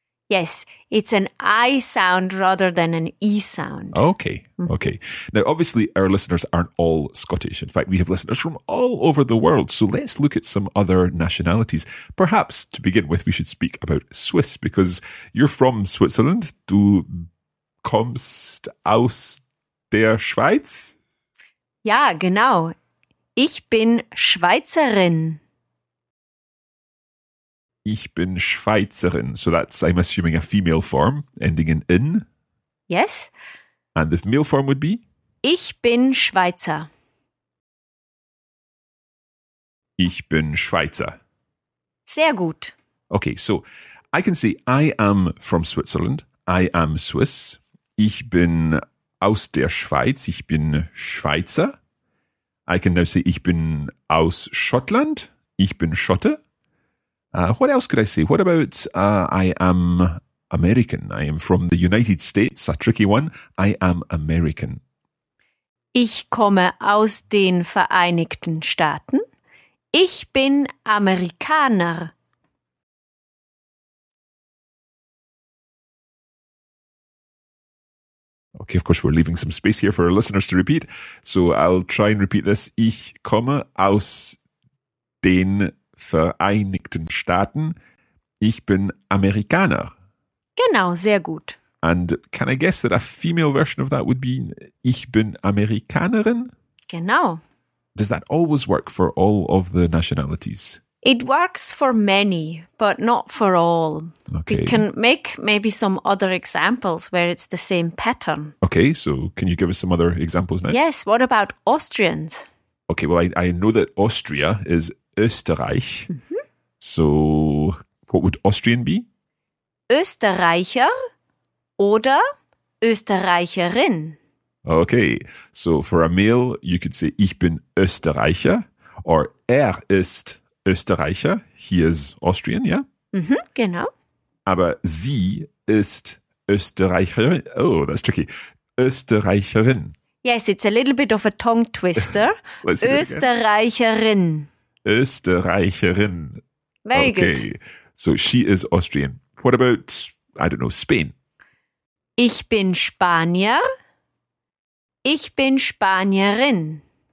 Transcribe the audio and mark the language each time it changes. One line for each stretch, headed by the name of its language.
English: Yes, it's an I sound rather than an E sound. Okay, okay. Now, obviously, our listeners aren't all Scottish. In fact, we have listeners from all over the world. So let's look at some other nationalities. Perhaps, to begin with, we should speak about Swiss, because you're from Switzerland.
German: Du kommst aus der Schweiz? Ja, genau. Ich bin Schweizerin. Ich bin Schweizerin.
English: So that's, I'm assuming, a female form ending in in. Yes. And the male form would be?
German: Ich bin Schweizer. Ich bin Schweizer. Sehr gut.
English: Okay, so I can say I am from Switzerland. I am Swiss.
German: Ich bin aus der Schweiz. Ich bin Schweizer.
English: I can now say
German: ich bin aus Schottland. Ich bin Schotte.
English: What else could I say? What about I am American? I am from the United States. A tricky one. I am American.
German: Ich komme aus den Vereinigten Staaten. Ich bin Amerikaner.
English: Okay, of course, we're leaving some space here for our listeners to repeat. So I'll try and repeat this.
German: Ich komme aus den Vereinigten Staaten. Ich bin Amerikaner. Genau, sehr gut.
English: And can I guess that a female version of that would be
German: ich bin Amerikanerin? Genau.
English: Does that always work for all of the nationalities? It works for many, but not for all. Okay. We can make maybe some other examples where it's the same pattern. Okay, so can you give us some other examples now? Yes, what about Austrians? Okay, well, I know that Austria is Österreich. Mm-hmm. So what would Austrian be?
German: Österreicher oder Österreicherin.
English: Okay, so for a male, you could say
German: ich bin Österreicher
English: or
German: er ist Österreicher.
English: He is Austrian, yeah?
German: Mm-hmm, genau. Aber sie ist Österreicherin.
English: Oh, that's tricky. Österreicherin. Yes, it's a little bit of a tongue twister. Let's hear
German: Österreicherin. Österreicherin.
English: Very okay. good. So she is Austrian. What about, I don't know, Spain?
German: Ich bin Spanier. Ich bin Spanierin.